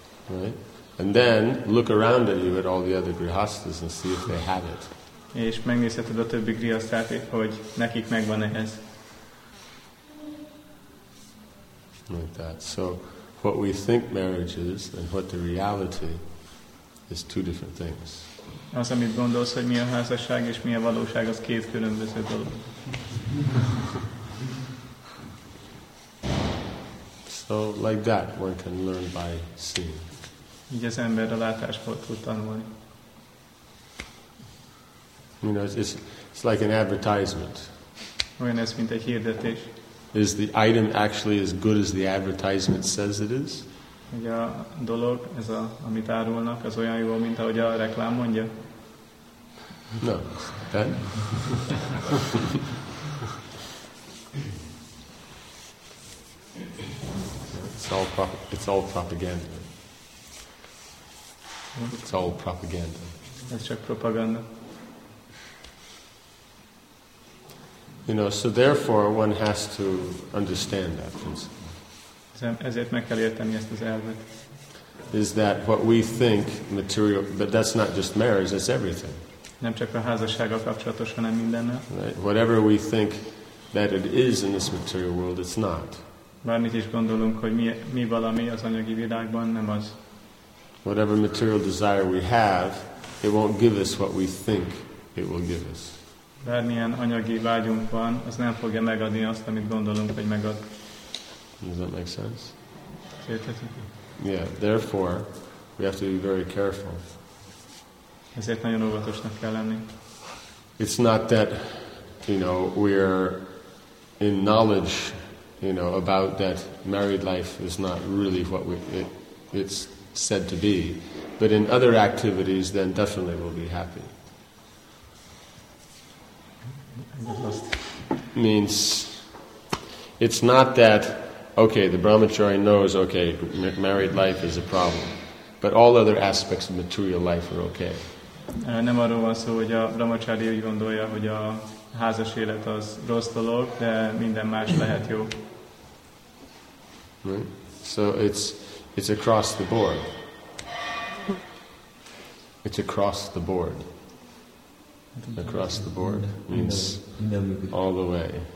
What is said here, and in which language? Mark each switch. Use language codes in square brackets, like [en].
[en] Right. And then look around at you at all the other grihasthas and see if they have it. [hu] És megnézheted a többi grihasztát, hogy nekik megvan ehhez. [en] Like that. So what we think marriage is and what the reality is two different things. [hu] Az, amit gondolsz, hogy mi a házasság és mi a valóság, az két különböző dolog. [en] So like that, one can learn by seeing. [hu] Így az ember a látásból tud tanulni. [en] You know, it's like an advertisement. [hu] Olyan ez, mint egy hirdetés. [en] Is the item actually as good as the advertisement says it is? [hu] Hogy a dolog, ez a, amit árulnak, az olyan jó, mint ahogy a reklám mondja? [en] No. Ben? It's all propaganda. It's all propaganda. [hu] Ez csak propaganda. [en] You know, so therefore one has to understand that principle. [hu] Ezért meg kell érteni ezt az elvet. [en] Is that what we think material, but that's not just marriage, that's everything. [hu] Nem csak a házassággal kapcsolatos, hanem mindennel. [en] Right. Whatever we think that it is in this material world, it's not. [hu] Bármit is gondolunk, hogy mi valami az anyagi világban, nem az. [en] Whatever material desire we have, it won't give us what we think it will give us. [hu] Bármilyen anyagi vágyunk van, az nem fogja megadni azt, amit gondolunk, hogy megad. [en] Does that make sense? [hu] Értetek? [en] Yeah, therefore, we have to be very careful. [hu] Ezért nagyon óvatosnak kell lenni. [en] It's not that, you know, we're in knowledge, you know, about that married life is not really what it's said to be, but in other activities, then definitely we'll be happy. Means it's not that, okay, the brahmachari knows, okay, married life is a problem, but all other aspects of material life are okay. [hu] Nem arról van szó, hogy a brahmachari úgy gondolja, hogy a házas élet az rossz dolog, de minden más lehet jó. [en] Right. So it's across the board. It's across the board. Across the board means all the way.